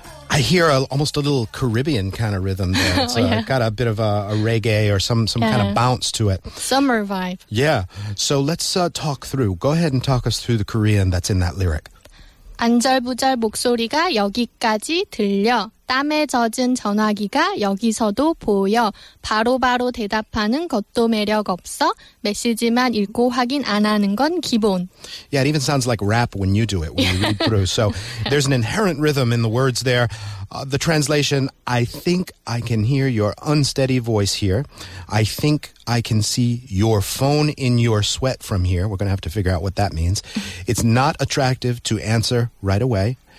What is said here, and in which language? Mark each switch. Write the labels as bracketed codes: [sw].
[en] I hear almost a little Caribbean kind of rhythm there. It's got a bit of a reggae or some kind of bounce to it. Summer vibe. Yeah. So let's talk through. Go ahead and talk us through the Korean that's in that lyric. [ko] 안절부절 목소리가 여기까지 들려. 땀에 젖은 전화기가 여기서도 보여. 바로바로 대답하는 것도 매력 없어. 메시지만 읽고 확인 안 하는 건 기본. [en] Yeah, it even sounds like rap when you do it, when you read through. So there's an inherent rhythm in the words there. The translation, I think I can hear your unsteady voice here. I think I can see your phone in your sweat from here. We're going to have to figure out what that means. It's not attractive to answer right away.